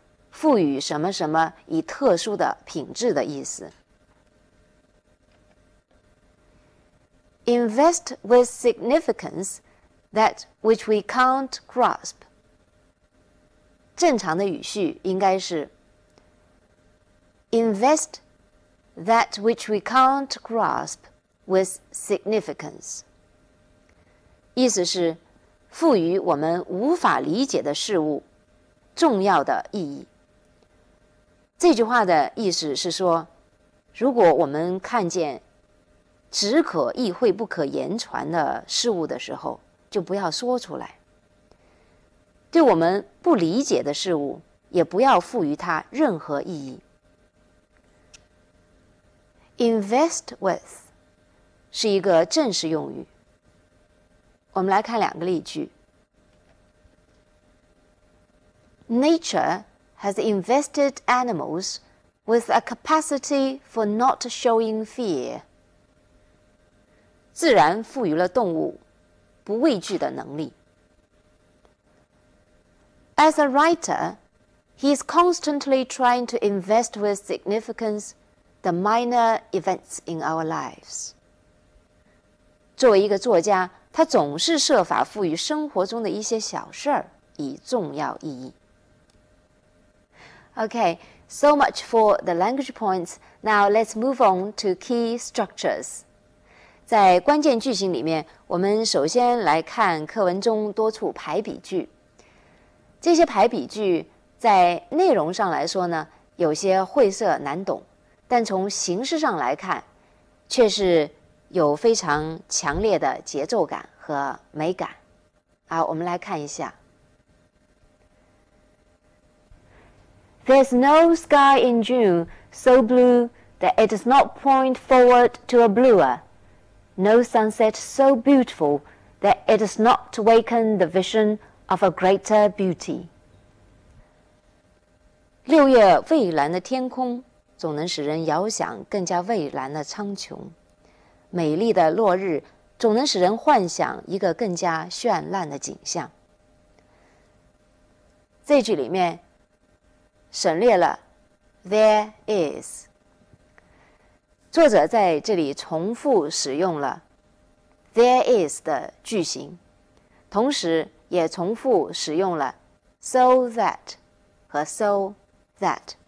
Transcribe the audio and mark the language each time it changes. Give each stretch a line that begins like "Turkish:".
Chinese: 赋予什么什么以特殊的品质的意思。
English: Invest with significance that which we can't grasp.
Chinese: 正常的语序应该是
English: Invest that which we can't grasp with significance.
Chinese: 意思是赋予我们无法理解的事物重要的意义。这句话的意思是说，如果我们看见只可意会不可言传的事物的时候，就不要说出来。对我们不理解的事物，也不要赋予它任何意义。
English: Invest with
Chinese: 是一个正式用语。我们来看两个例句。
English: Nature has invested animals with a capacity for not showing fear.
Chinese: 自然赋予了动物不畏惧的能力。
English: As a writer, he is constantly trying to invest with significance the minor events in our lives.
Chinese: 作为一个作家，他总是设法赋予生活中的一些小事儿以重要意义。
English: Okay, so much for the language points. Now let's move on to key structures.
Chinese: 在关键句型里面，我们首先来看课文中多处排比句。这些排比句在内容上来说呢，有些晦涩难懂，但从形式上来看，却是有非常强烈的节奏感和美感。好，我们来看一下。
English: There's no sky in June so blue that it does not point forward to a bluer. No sunset so beautiful that it does not waken the vision of a greater beauty.
Chinese: 六月蔚蓝的天空总能使人遥想更加蔚蓝的苍穹。美丽的落日总能使人幻想一个更加绚烂的景象。这句里面省略了 there is， 作者在这里重复使用了 there is 的句型，同时也重复使用了 so that 和 so that。